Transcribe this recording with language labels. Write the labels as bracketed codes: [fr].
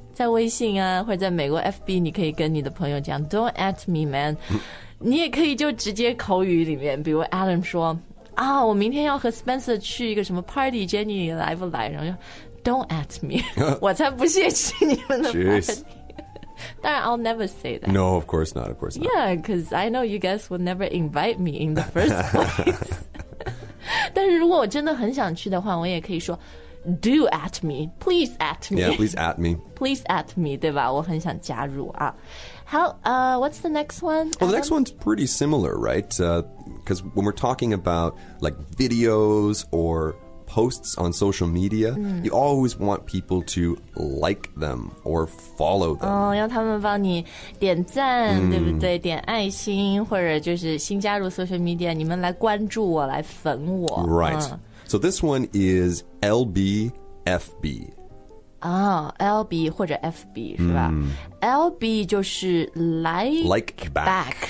[zh] 在微信啊或者在美国 FB 你可以跟你的朋友讲 [en] Don't at me man [zh] 你也可以就直接口语里面比如 Alan 说啊我明天要和 Spencer 去一个什么 party Jenny 来不来然后说 [en] Don't at me [zh] 我才不屑去你们的 party当然 [en] I'll never say that No of course not Of course not Yeah because I know you guys will never invite me in the first place [zh] 但是如果我真的很想去的话我也可以说 [en] Do at me Please at me Yeah please at me Please at me [zh] 对吧我很想加入啊好、 [en] What's the next one? Well the next one's pretty similar right Because when we're talking about Like videos or posts on social media、mm. You always want people to like them Or follow them [zh] 哦、oh, 要他们帮你点赞、mm. 对不对点爱心或者就是新加入 social media 你们来关注我来粉我 [en] Right、mm. So this one is LBFB [zh] 哦、oh, LB 或者 FB 是吧、mm. LB 就是 like back、